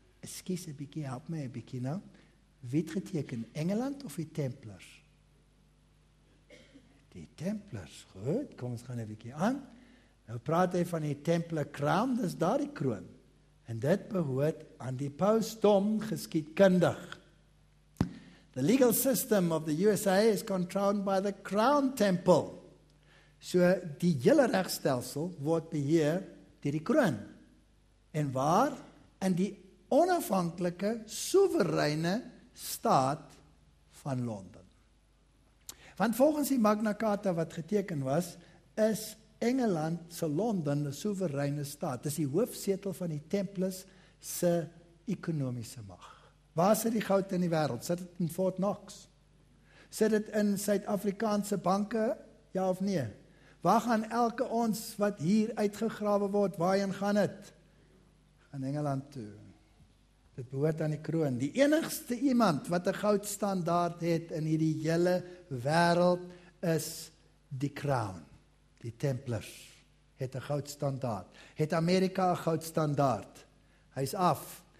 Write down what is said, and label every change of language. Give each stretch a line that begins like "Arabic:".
Afrikaans: Ekskuus 'n bietjie, help my 'n bietjie nou. Wie het geteken? Engeland of die Templars? Die Templars. Goed, kom ons gaan 'n bietjie aan. Nou praat hy van die Temple Crown, dis daar die kroon. En dit behoort aan die pausdom geskiedkundig.
English: The legal system of the USA is controlled by the Crown Temple.
Afrikaans: So die hele regstelsel word beheer deur die kroon. En waar? In die onafhanklike, soewereine staat van Londen. Want volgens die Magna Carta wat geteken was, is Engeland se Londen 'n soewereine staat. Dis die hoofsetel van die Templars se ekonomiese mag. Waar sit die goud in die wêreld? Sit dit in Fort Knox? Sit dit in Suid-Afrikaanse banke? Ja of nee? Waar gaan elke ons wat hier uitgegrawe word, waarheen gaan dit? Gaan Engeland toe. Dit behoort aan die kroon. Die enigste iemand wat 'n goudstandaard het in hierdie hele wêreld is die Crown. Die Templars het 'n goudstandaard. Het Amerika 'n goudstandaard? Hy's af.